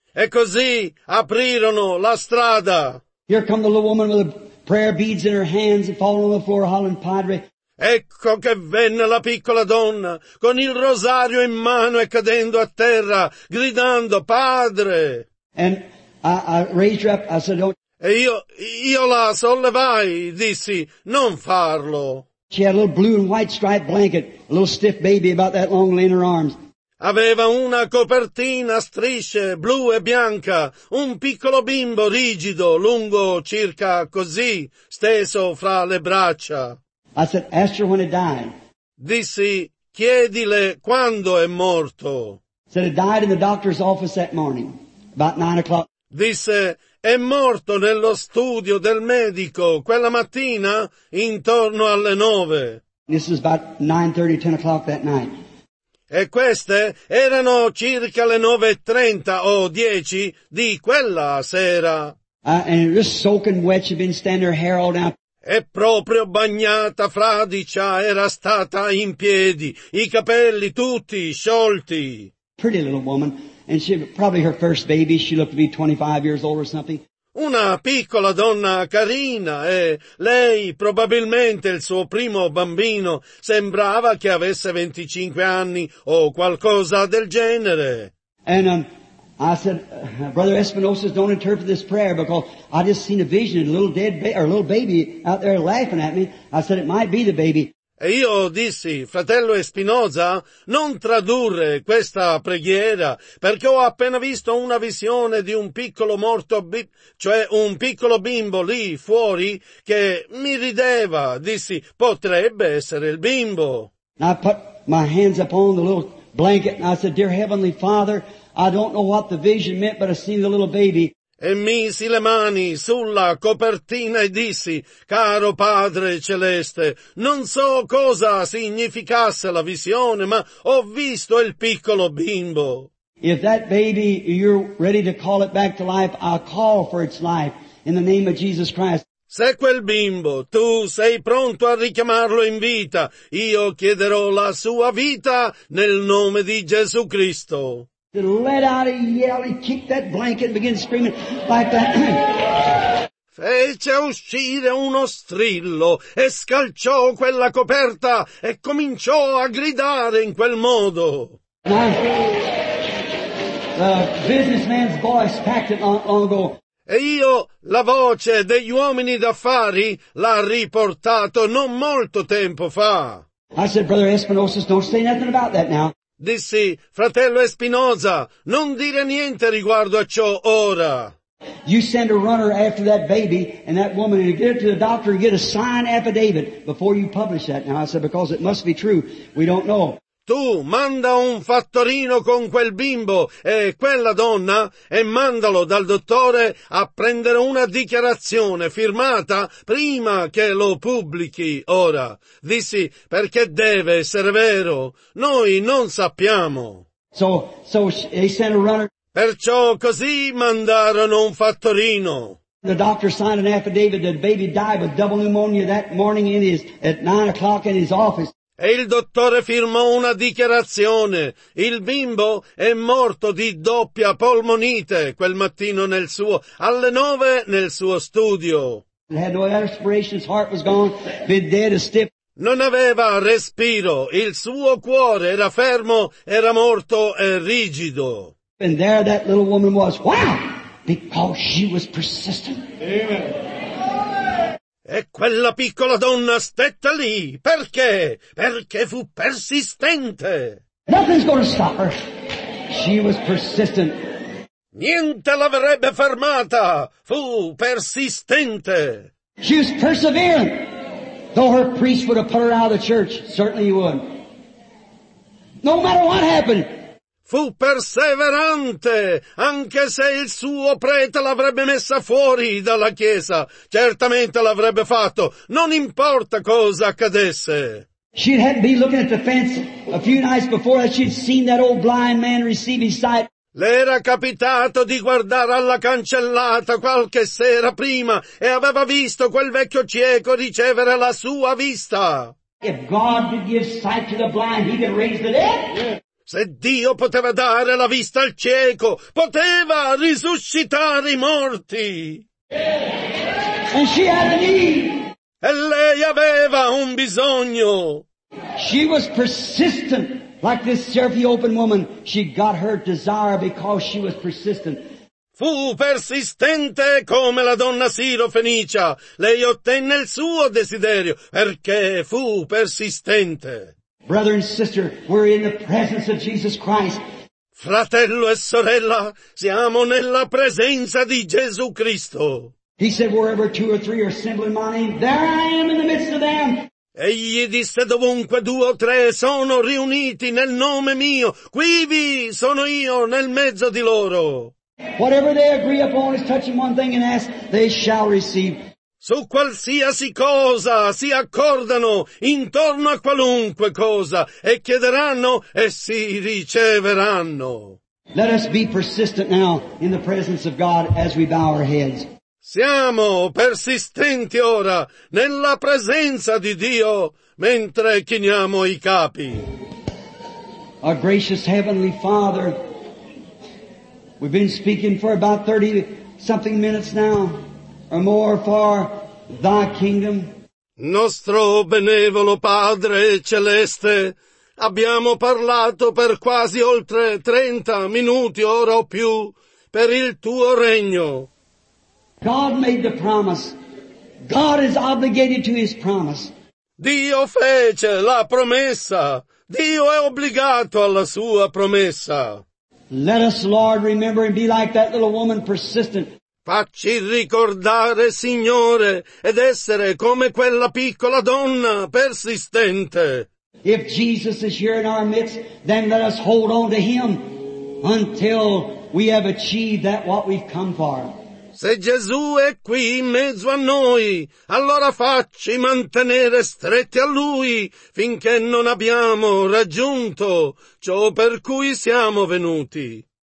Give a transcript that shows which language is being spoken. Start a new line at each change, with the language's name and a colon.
Italian: E così aprirono la strada.
English: Here come the little woman with the prayer beads in her hands and falling on the floor hollering, Padre.
Italian: Ecco che venne la piccola donna con il rosario in mano e cadendo a terra, gridando, Padre.
English: And I raised her up, I said, don't.
Italian: E io la sollevai, dissi, non farlo.
English: She had a little blue and white striped blanket, a little stiff baby about that long laying her arms.
Italian: Aveva una copertina a strisce blu e bianca, un piccolo bimbo rigido, lungo circa così, steso fra le braccia.
English: I said, ask her when it died.
Italian: Dissi, chiedile quando è morto.
English: Said it died in the doctor's office that morning, about 9 o'clock.
Italian: Disse, è morto nello studio del medico quella mattina intorno alle 9.
English: This is about 9:30, 10 o'clock that night.
Italian: E queste erano circa le 9:30 o 10 di quella sera.
English: And it was soaking wet, she'd been standing her hair all down.
Italian: E proprio bagnata, fradicia, era stata in piedi, i capelli tutti sciolti.
English: Pretty little woman. And she probably her first baby, she looked to be 25 years old or something.
Italian: Una piccola donna carina e lei probabilmente il suo primo bambino sembrava che avesse 25 anni o qualcosa del genere.
English: And I said, Brother Espinosa, don't interpret this prayer because I just seen a vision of a little dead baby or a little baby out there laughing at me. I said it might be the baby.
Italian: E io dissi, fratello Espinosa, non tradurre questa preghiera, perché ho appena visto una visione di un piccolo morto, cioè un piccolo bimbo lì fuori, che mi rideva. Dissi, potrebbe essere il bimbo.
English: And I put my hands upon the little blanket and I said, Dear Heavenly Father, I don't know what the vision meant, but I see the little baby.
Italian: E misi le mani sulla copertina e dissi, caro Padre Celeste, non so cosa significasse la visione, ma ho visto il piccolo bimbo.
English: If that baby, you're ready to call it back to life, I'll call for its life in the name of Jesus Christ.
Italian: Se quel bimbo, tu sei pronto a richiamarlo in vita, io chiederò la sua vita nel nome di Gesù Cristo.
English: He let out a yell, he kicked that blanket and began screaming like that.
Italian: Fece uscire uno strillo e scalciò quella coperta e cominciò a gridare in quel modo.
English: The businessman's voice packed it long ago.
Italian: E io la voce degli uomini d'affari l'ha riportato non molto tempo fa.
English: I said, Brother Espinosa, don't say nothing about that now.
Italian: Dissi, fratello Espinosa, non dire niente riguardo a ciò ora.
English: You send a runner after that baby and that woman and get it to the doctor and get a signed affidavit before you publish that. Now I said, because it must be true, we don't know.
Italian: Tu manda un fattorino con quel bimbo e quella donna e mandalo dal dottore a prendere una dichiarazione firmata prima che lo pubblichi ora. Dissi, perché deve essere vero? Noi non sappiamo.
English: So he sent a runner.
Italian: Perciò così mandarono un fattorino.
English: The doctor signed an affidavit that the baby died with double pneumonia that morning at 9 o'clock in his office.
Italian: E il dottore firmò una dichiarazione. Il bimbo è morto di doppia polmonite quel mattino alle 9 nel suo studio.
English: It had no respiration, his heart was gone, been dead and stiff.
Italian: Non aveva respiro, il suo cuore era fermo, era morto e rigido.
English: And there that little woman was, wow, because she was persistent. Amen.
Italian: E quella piccola donna stette lì. Perché? Perché fu persistente.
English: Nothing's going to stop her. She was persistent.
Italian: Niente l'avrebbe fermata. Fu persistente.
English: She was persevering. Though her priest would have put her out of the church, certainly he would. No matter what happened.
Italian: Fu perseverante, anche se il suo prete l'avrebbe messa fuori dalla chiesa. Certamente l'avrebbe fatto, non importa cosa accadesse.
English: She'd have been looking at the fence a few nights before that she'd seen that old blind man receive his sight.
Italian: Le era capitato di guardare alla cancellata qualche sera prima e aveva visto quel vecchio cieco ricevere la sua vista.
English: If God could give sight to the blind, he could raise the dead. Yeah.
Italian: Se Dio poteva dare la vista al cieco, poteva risuscitare i morti.
English: And she had a need.
Italian: E lei aveva un bisogno.
English: She was persistent, like this Serviopian woman. She got her desire because she was persistent.
Italian: Fu persistente come la donna Sirofenicia. Lei ottenne il suo desiderio perché fu persistente.
English: Brother and sister, we're in the presence of Jesus Christ.
Italian: Fratello e sorella, siamo nella presenza di Gesù Cristo.
English: He said, wherever two or three are assembled in my name, there I am in the midst of them.
Italian: Egli disse, dovunque due o tre sono riuniti nel nome mio, quivi sono io nel mezzo di loro.
English: Whatever they agree upon is touching one thing and ask, they shall receive.
Italian: Su qualsiasi cosa si accordano, intorno a qualunque cosa, e chiederanno e si riceveranno.
English: Let us be persistent now in the presence of God as we bow our heads.
Italian: Siamo persistenti ora nella presenza di Dio mentre chiniamo i capi.
English: Our gracious Heavenly Father, we've been speaking for about 30 something minutes now. Or more for thy kingdom.
Italian: Nostro benevolo Padre Celeste, abbiamo parlato per quasi oltre 30 minuti, ora o più, per il tuo regno.
English: God made the promise. God is obligated to his promise.
Italian: Dio fece la promessa. Dio è obbligato alla sua promessa.
English: Let us, Lord, remember and be like that little woman, persistent.
Italian: Facci ricordare, Signore, ed essere come quella piccola donna persistente.
English: If Jesus is here in our midst, then let us hold on to him until we have achieved that what we've come for.
Italian: Se Gesù è qui in mezzo a noi, allora facci mantenere stretti a lui finché non abbiamo raggiunto ciò per cui siamo venuti.